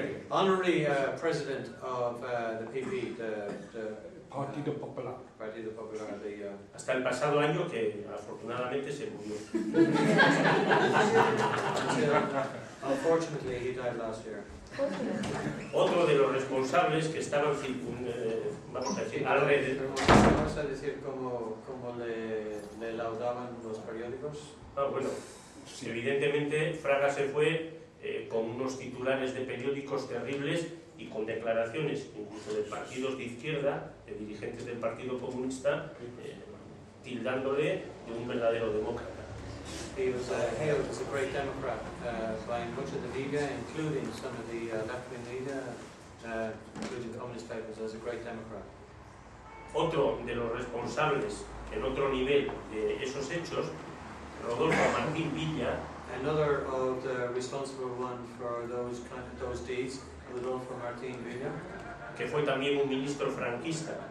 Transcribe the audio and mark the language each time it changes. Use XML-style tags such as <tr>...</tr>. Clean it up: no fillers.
<en>Honorary president of the PP, the</en> <es>Partido Popular. Partido Popular de, hasta el pasado año que afortunadamente se murió.</es> <en>Unfortunately, he died last year.</en> <es>Otro de los responsables que estaban vamos a decir cómo le laudaban los periódicos. Ah, bueno, sí. Evidentemente Fraga se fue con unos titulares de periódicos terribles y con declaraciones incluso de partidos de izquierda, de dirigentes del Partido Comunista, tildándole de un verdadero demócrata.</es> <en>He was hailed as a great democrat by much of the media, including some of the left-wing media, including communist papers, as a great democrat.</en> <es>Otro de los responsables en otro nivel de esos hechos, Rodolfo Martín Villa.</es> <en>Another of the responsible ones for those deeds, Rodolfo Martín Villa,</en> <es>que fue también un ministro franquista,</es>